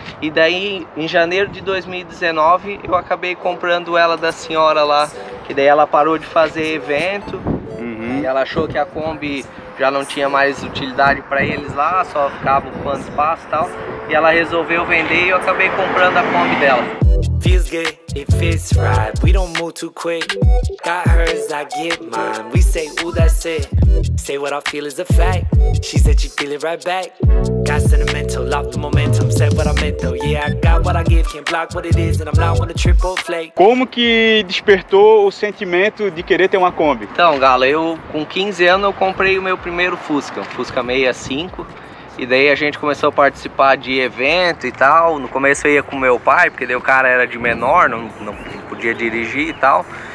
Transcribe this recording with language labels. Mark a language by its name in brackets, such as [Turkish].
[Portuguese] E daí, em janeiro de 2019, eu acabei comprando ela da senhora lá. E daí ela parou de fazer evento. Uhum. E ela achou que a Kombi já não tinha mais utilidade para eles lá, só ficava ocupando espaço e tal. E ela resolveu vender e eu acabei comprando a Kombi dela. [English] Feels good, it feels right. We don't move too quick. Got hers, I get mine. We say, ooh, that's it. Say what I feel is a fact. She said she feel it right back. Got sentimental, lost the momentum. Said what I meant though. Yeah, I got what I give. Can't block what it is, and I'm not on a triple flake. [Portuguese] Como que despertou o sentimento de querer ter uma Kombi? Então, Galo, eu com 15 anos eu comprei o meu primeiro Fusca, um Fusca 65. E daí a gente começou a participar de evento e tal. No começo eu ia com meu pai, porque daí o cara era de menor, não podia dirigir e tal.